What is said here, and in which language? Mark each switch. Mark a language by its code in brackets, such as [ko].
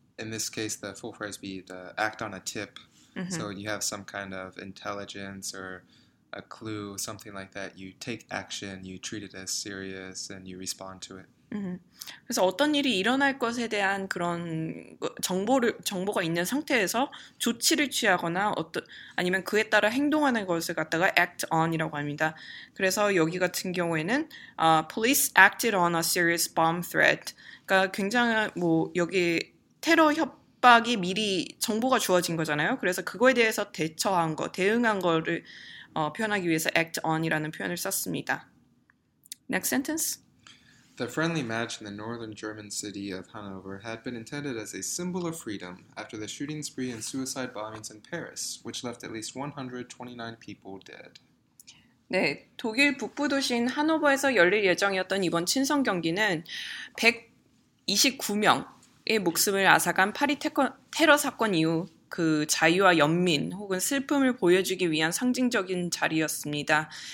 [en] In this case, the full phrase be the act on a tip. Mm-hmm. So you have some kind of intelligence or a clue, something like that. You take action, you treat it as serious, and you respond to it. Mm-hmm. [ko] 그래서 어떤 일이 일어날 것에 대한 그런 정보가 있는 상태에서 조치를 취하거나 아니면 그에 따라 행동하는 것을 갖다가 act on이라고 합니다. 그래서 여기 같은 경우에는 [en] police acted on a serious bomb threat. [ko] 그러니까 굉장히 뭐 여기 테러 협박이 미리 정보가 주어진 거잖아요. 그래서 그거에 대해서 대처한 거, 대응한 거를 표현하기 위해서 act on이라는 표현을 썼습니다. [en] Next sentence. The friendly match in the northern German city of Hanover had been intended as a symbol of freedom after the shooting spree and suicide bombings in Paris, which left at least 129 people dead. [ko] 네, 독일 북부 도시인 하노버에서 열릴 예정이었던 이번 친선 경기는 129명 의 목숨을 앗아간 파리 테러 사건 이후 그 자유와 연민 혹은 슬픔을 보여주기 위한 상징적인 자리였습니다.